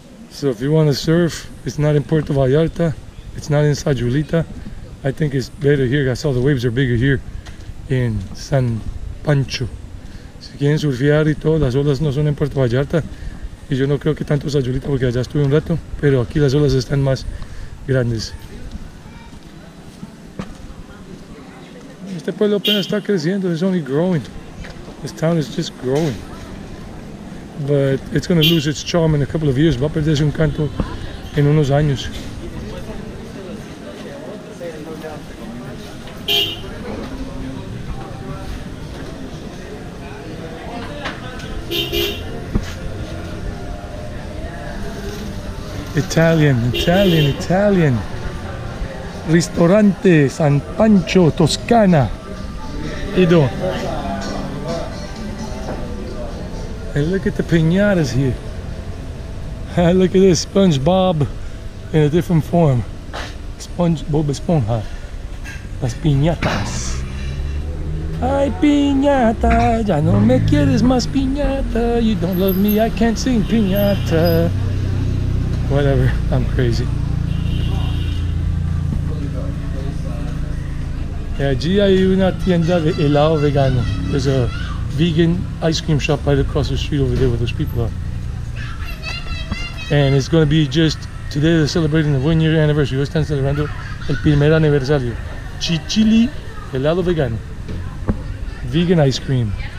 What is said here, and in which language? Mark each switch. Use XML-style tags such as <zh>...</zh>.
<en>So if you want to surf, it's not in Puerto Vallarta, it's not in Sayulita. I think it's better here. I saw the waves are bigger here in San Pancho.</en> <es>Si quieren surfear y todo, las olas no son en Puerto Vallarta. Y yo no creo que tanto Sayulita porque allá estuve un rato, pero aquí las olas están más grandes. Este pueblo apenas está creciendo,</es> <en>it's only growing. This town is just growing. But it's going to lose its charm in a couple of years.</en> <es>Va a perder su encanto en unos años.</es> <en>Italian. Ristorante San Pancho, Toscana. Ido. And look at the piñatas here. Look at this, SpongeBob in a different form.</en> <es>SpongeBob Esponja. Las piñatas. Ay, piñata, ya no me quieres más piñata.</es> <en>You don't love me, I can't sing piñata. Whatever, I'm crazy.</en> <es>Y allí hay una tienda de helado vegano.</es> <en>There's a vegan ice cream shop right across the street over there where those people are. And it's going to be just, today they're celebrating the 1 year anniversary.</en> <es>Hoy están celebrando el primer aniversario. Chichili, helado vegano.</es> <en>Vegan ice cream.</en>